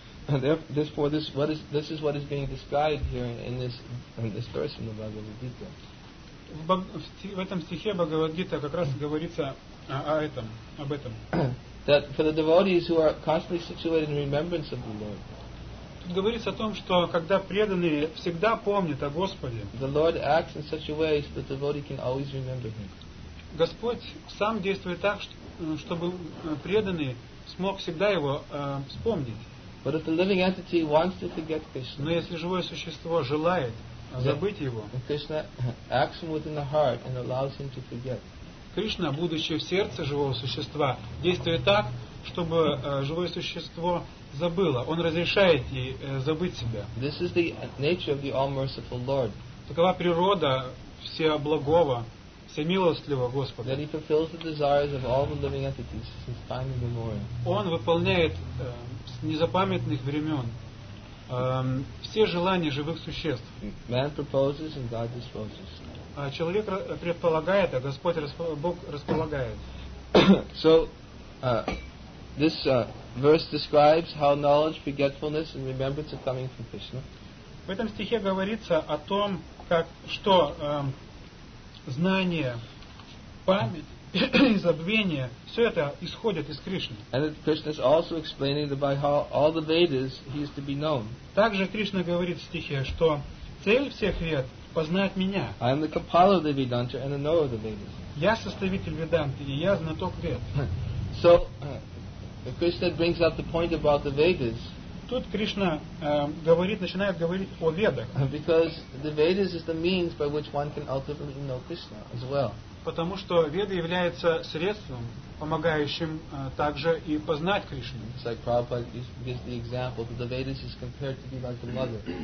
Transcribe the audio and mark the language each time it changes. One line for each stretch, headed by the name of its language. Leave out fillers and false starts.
English: Therefore, this is what is being described here in this verse in the Bhagavad Gita.
Russian: В этом стихе Бхагавад Гита как раз говорится об этом.
English: That for the devotees who are constantly situated in remembrance of the Lord.
Russian: Тут говорится о том, что когда преданные всегда помнят о Господе.
English: The Lord acts in such a way so that the devotee can always remember Him.
Russian: Господь сам действует так, чтобы преданный смог всегда его вспомнить.
English: But if the living entity wants to forget Krishna.
Russian: Но если живое существо желает забыть его.
English: Krishna acts within the heart and allows him to forget.
Russian: Кришна, будучи в сердце живого существа, действует так, чтобы живое существо забыло. Он разрешает ей забыть себя.
English: This is the nature of the all-merciful Lord.
Russian: Такова природа всеблагого, всемилостливого Господа.
English: That he fulfills the desires of all the living entities since time immemorial.
Russian: Он выполняет с незапамятных времен все желания живых существ.
English: Man proposes and God disposes.
Russian: Человек предполагает, а Господь Бог располагает.
English: So this verse describes how knowledge, forgetfulness, and remembrance are coming from Krishna.
Russian: В этом стихе говорится о том, как что знание, память, забвение, все это исходит из Кришны.
English: And Krishna is also explaining that by how all the Vedas he is to be known.
Russian: Также Кришна говорит в стихе, что цель всех Вед познать меня.
English: I am the compiler of the Vedanta and the knower of the Vedas.
Russian: Я составитель Веданты, и я знаток Вед.
English: So, Krishna brings up the point about the Vedas.
Russian: Тут Кришна начинает говорить о Ведах.
English: Because the Vedas is the means by which one can ultimately know Krishna as well.
Russian: Потому что Веды являются средством, помогающим также и познать Кришну.
English: It's like Prabhupada gives the example that the Vedas is compared to be like the mother.